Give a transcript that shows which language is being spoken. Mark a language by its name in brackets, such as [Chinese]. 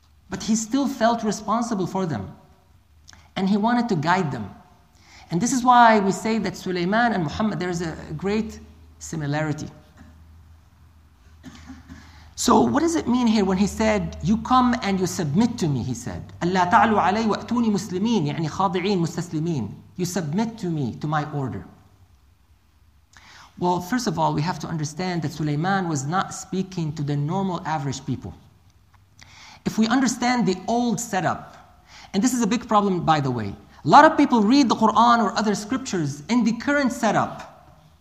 [English] But he still felt responsible for them. And he wanted to guide them. And this is why we say that Sulaiman and Muhammad, there is a great similarity. So what does it mean here when he said, you come and you submit to me, he said. [Arabic] أَلَّا تَعْلُوا عَلَيْهِ وَأْتُونِي مُسْلِمِينَ يعني خاضعين مستسلمين. [English] You submit to me, to my order. Well, first of all, we have to understand that Sulaiman was not speaking to the normal average people. If we understand the old setup, and this is a big problem, by the way. A lot of people read the Quran or other scriptures in the current setup.